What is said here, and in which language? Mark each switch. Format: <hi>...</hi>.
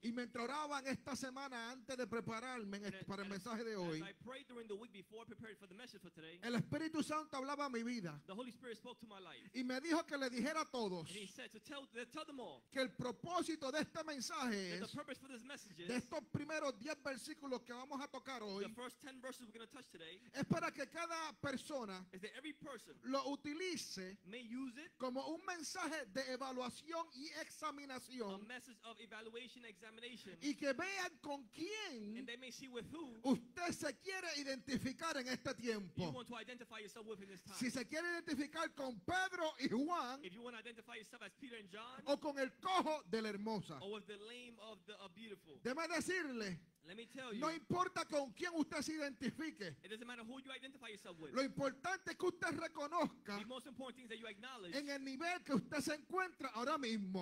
<es>Y mientras oraba en esta semana antes de prepararme para el mensaje de hoy,</es> <en>I prayed during the week before I prepared for the message for today,</en> <es>el Espíritu Santo hablaba a mi vida</es> <en>the Holy Spirit spoke to my life,</en> <es>y me dijo que le dijera a todos</es> <en>and he said to tell them all,</en> <es>que el propósito de este mensaje</es> <en>that the purpose for this message is,</en> <es>de estos primeros 10 versículos que vamos a tocar hoy,</es> <en>the first 10 verses we're going to touch today</en> <es>es para que cada persona</es> <en>is that every person</en> <es>lo utilice</es> <en>may use it</en> <es>como un mensaje de evaluación y examinación,</es> <en>a message of evaluation and examination,</en> <es>y que vean con quién</es> <en>and they may see with who</en> <es>usted se quiere identificar en este tiempo.</es> <en>You want to identify yourself with in this time.</en> <es>Si se quiere identificar con Pedro y Juan,</es> <en>if you want to identify yourself as Peter and John,</en> <es>o con el cojo de la hermosa,</es> <en>or with the lame of the beautiful.</en> <es>Déjame decirle,</es> <en>let me tell you,</en> <es>no importa con quién usted se identifique.</es> <en>It doesn't matter who you identify yourself with.</en> <es>Lo importante es que usted reconozca</es> <en>the most important thing is that you acknowledge</en> <es>en el nivel que usted se encuentra ahora mismo.</es>